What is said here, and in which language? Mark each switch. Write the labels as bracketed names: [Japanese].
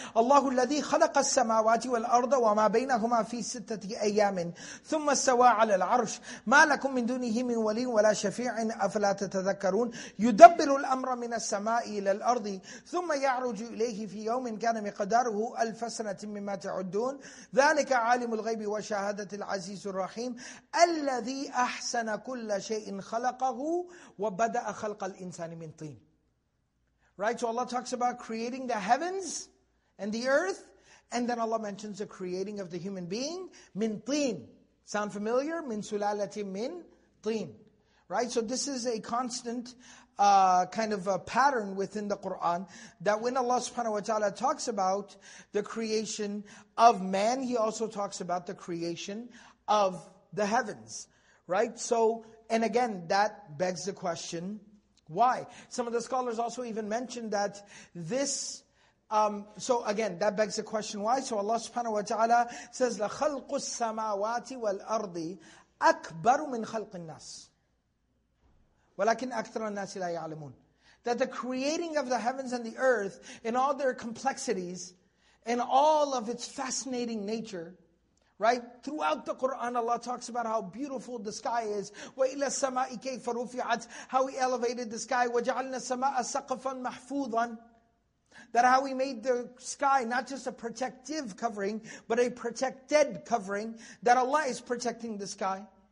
[Arabic] اللَّهُ الَّذِي خَلَقَ السَّمَاوَاتِ وَالْأَرْضَ وَمَا بَيْنَهُمَا فِي سِتَّةِ أَيَّامٍ ثُمَّ سَوَى عَلَى الْعَرْشِ مَا لَكُم مِّن دُونِهِ مِن وَلِيٍّ وَلَا شَفِيعٍ أَفَلَا تَتَذَكَّرُونَ يُدَبِّرُ الْأَمْرَ مِنَ السَّمَاءِ إِلَى الْأَرْضِ ثُمَّ يَعْرُجُ إِلَيْهِ فِي يَوْمٍ كَانَ مِقْدَارُهُ أَلْفَ سَنَةٍ مِّمَّا تَعُدُّونَ ذَلِكَ عَالِمُ الْغَيْبِ وَشَهَادَةِ الْعَزِيزِ الرَّحِيمِ الَّذِي أَحْسَنَ كُلَّ شَيْءٍ خَلَقَهُ وَبَدَأَ خَلْقَ الْإِنسَانِ مِن طِينٍ [English] Right, so Allah talks about creating the heavens and the earth, and then Allah mentions the creating of the human being, min tīn. Sound familiar? Min sulalati min tīn. Right, so this is a constant kind of a pattern within the Qur'an, that when Allah subhanahu wa ta'ala talks about the creation of man, He also talks about the creation of the heavens. Right, so, and again, that begs the question, why? Some of the scholars also even mentioned that this... so again, that begs the question, why? So Allah subhanahu wa ta'ala says, [Arabic] لَخَلْقُ السَّمَاوَاتِ وَالْأَرْضِ أَكْبَرُ مِنْ خَلْقِ النَّاسِ وَلَكِنْ أَكْثَرَ النَّاسِ لَا يَعْلَمُونَ [English] that the creating of the heavens and the earth in all their complexities, in all of its fascinating nature, right? Throughout the Qur'an, Allah talks about how beautiful the sky is. [Arabic] وَإِلَى السَّمَاءِ كَيْفَ رُفِعَتْ [English] How He elevated the sky. [Arabic] وَجَعَلْنَا السَّمَاءَ سَقَفًا مَحْفُوظًا [English] That how He made the sky not just a protective covering, but a protected covering, that Allah is protecting the sky.